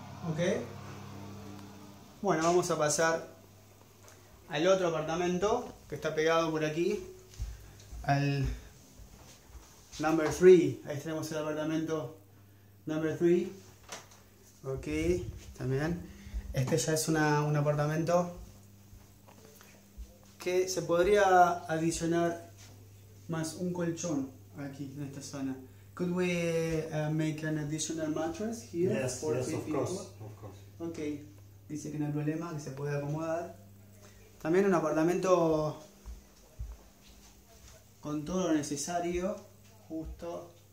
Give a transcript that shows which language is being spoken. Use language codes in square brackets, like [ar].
[es] Ok. Bueno, vamos a pasar al otro apartamento que está pegado por aquí, al [en] number 3. [es] Ahí tenemos el apartamento [en] number 3. [es] Ok, también. Este ya es un apartamento que se podría adicionar más un colchón aquí en esta zona. [en] Could we make an additional mattress here? Yes, for yes, of course. Ok. [es] Dice que no hay problema, que se puede acomodar. También un apartamento con todo lo necesario, justo.